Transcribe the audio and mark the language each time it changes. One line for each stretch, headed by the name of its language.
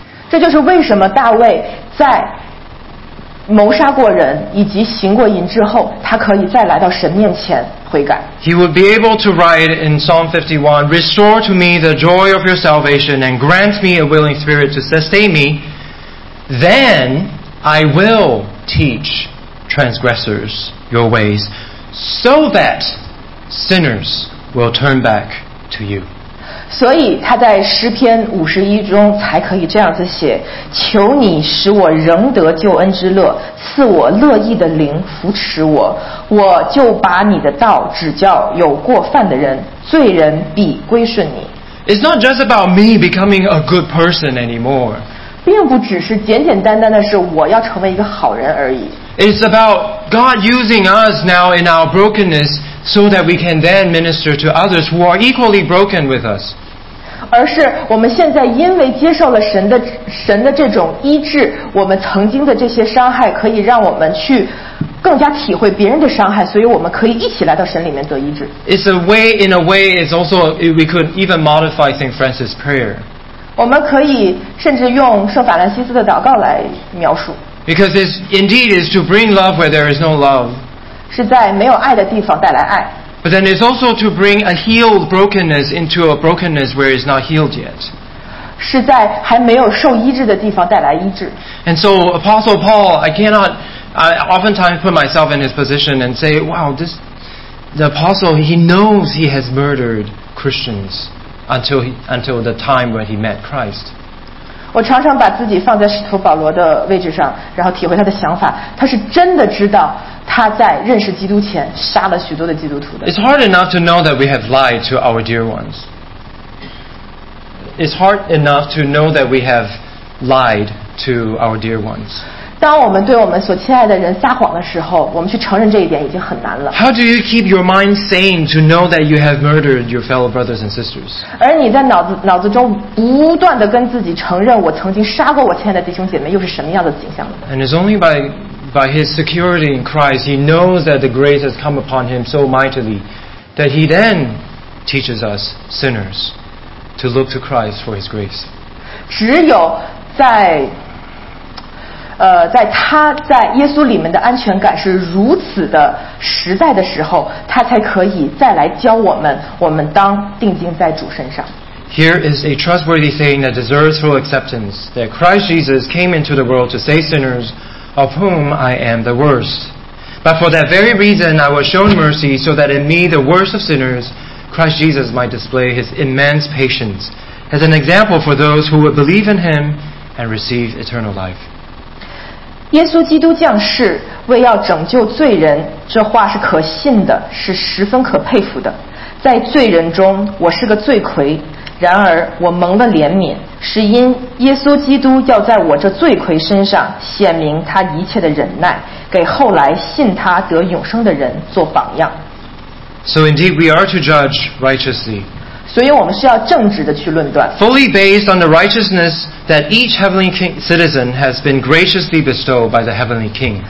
Chinese: 这就是为什么大卫在谋杀过人以及行过淫之后，他可以再来到神面前悔改。
English: He would be able to write in Psalm 51, "Restore to me the joy of your salvation, and grant me a willing spirit to sustain me. Then I will teach transgressors your ways, so that sinners will turn back to you."
Chinese: 所以他在诗篇51中才可以这样子写：求你使我仍得救恩之乐，赐我乐意的灵扶持我，我就把你的道指教有过犯的人，罪人必归顺你。
English: It's not just about me becoming a good person anymore.
Chinese: 并不只是简简单单的是我要成为一个好人而已。
English: It's about God using us now in our brokenness so that we can then minister to others who are equally broken with us.
Chinese: 而是我们现在因为接受了神的这种医治，我们曾经的这些伤害可以让我们去更加体会别人的伤害，所以我们可以一起来到神里面得医治。
English: It's a way, in a way, it's also, we could even modify St. Francis' prayer.
Chinese: 我们可以甚至用圣法兰西斯的祷告来描述。
English: Because this indeed is to bring love where there is no love.
Chinese: 是在没有爱的地方带来爱。
English: But then it's also to bring a healed brokenness into a brokenness where it's not healed yet.
Chinese: 是在还没有受医治的地方带来医治。
English: And so Apostle Paul, I oftentimes put myself in his position and say, wow, the apostle, he knows he has murdered Christians until the time when he met Christ.
Chinese: 我常常把自己放在使徒保罗的位置上，然后体会他的想法。他是真的知道他在认识基督前杀了许多的基督徒的。
English: It's hard enough to know that we have lied to our dear ones. It's hard enough to know that we have lied to our dear ones.
Chinese: 当我们对我们所亲爱的人撒谎的时候，我们去承认这一点已经很难了。
English: How do you keep your mind sane to know that you have murdered your fellow brothers and sisters?
Chinese: 而你在脑子中不断地跟自己承认我曾经杀过我亲爱的弟兄姐妹，又是什么样的景象呢？
English: And it's only by his security in Christ, he knows that the grace has come upon him so mightily that he then teaches us sinners to look to Christ for his grace.
Chinese: 只有在在他在耶稣里面的安全感是如此的实在的时候，他才可以再来教我们，我们当定睛在主身上。
English: Here is a trustworthy saying that deserves full acceptance, that Christ Jesus came into the world to save sinners, of whom I am the worst. But for that very reason, I was shown mercy, so that in me, the worst of sinners, Christ Jesus might display his immense patience as an example for those who would believe in him and receive eternal life.
Chinese: 耶稣基督降世为要拯救罪人，这话是可信的，是十分可佩服的。在罪人中我是个罪魁，然而我蒙了怜悯，是因耶稣基督要在我这罪魁身上显明他一切的忍耐，给后来信他得永生的人做榜样。
English: So indeed we are to judge righteously.
Chinese: 所以我们是要正直的去论断。
English: Fully based on the righteousnessThat each heavenly king, citizen has been graciously bestowed by the heavenly king.